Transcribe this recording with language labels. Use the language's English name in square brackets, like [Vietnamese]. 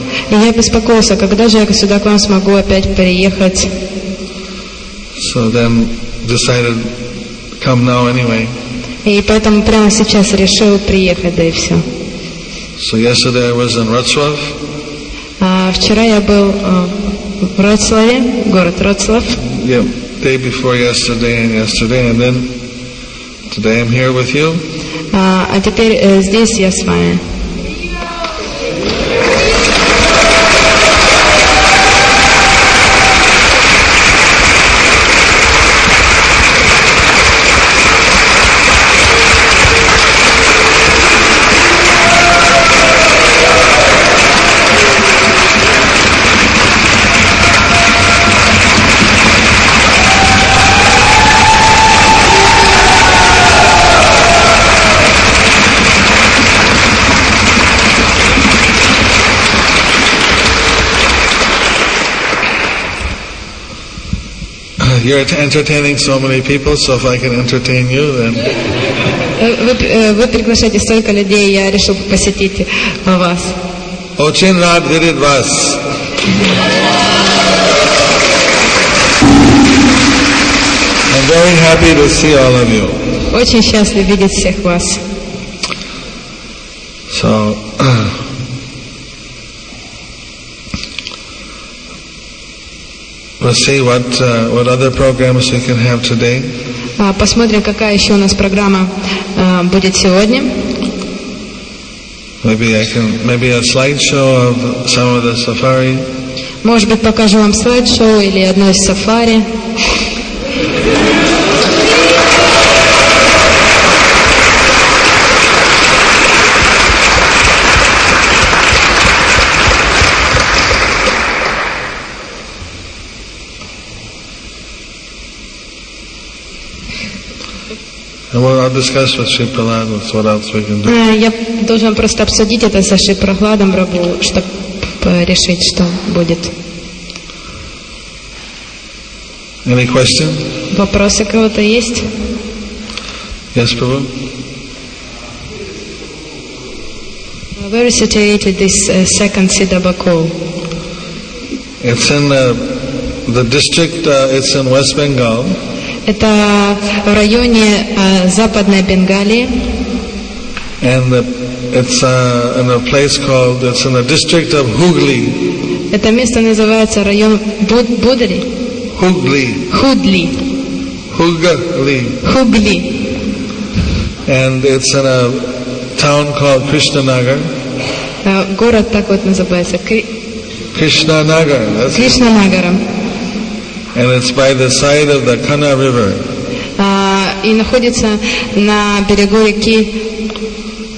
[Russian] Я беспокоился, когда же я сюда к вам смогу опять приехать. [English] So then decided come now anyway. [Russian] И поэтому прямо сейчас решил приехать, да и все. [English] So yesterday I was in Wroclaw. [Russian] Вчера я был в Вроцлаве, город Вроцлав. [English] Yeah. day before yesterday, and then today I'm here with you. [Russian] А теперь здесь я с вами. [English] You're entertaining so many people, so if I can entertain you, then. [Russian] Вы приглашаете столько людей, я решил посетить вас. Очень рад видеть вас. [English] I'm very happy to see all of you. [Russian] Очень счастлив видеть всех вас. [English] So. We'll see what other programs we can have today. [Russian] Посмотрим, какая еще у нас программа будет сегодня. [English] Maybe a slideshow of some of the safari. [Russian] Может быть, покажу вам слайд-шоу или одно из сафари. [English] I'll discuss with Shri Prahlad what else we can do. [Russian] Я должен просто обсудить это со Шри Прахладом Рабу, чтобы решить, что будет. [English] Any question? [Russian] Вопросы кого-то есть? [English] Yes, Prabhu. Where is situated this second Siddhabako? It's in the district. It's in West Bengal. [Russian] Это в районе Западной Бенгалии. [English] And it's in a place called, it's in a district of Hooghly. [Russian] Это место называется район Будри. [English] Hooghly. Hooghly. Hooghly. Hooghly. And it's in a town called Krishnanagar. [Russian] Город так вот называется. [English] Krishnanagar. That's Krishnanagar. And it's by the side of the Kana River. [Russian] И находится на берегу реки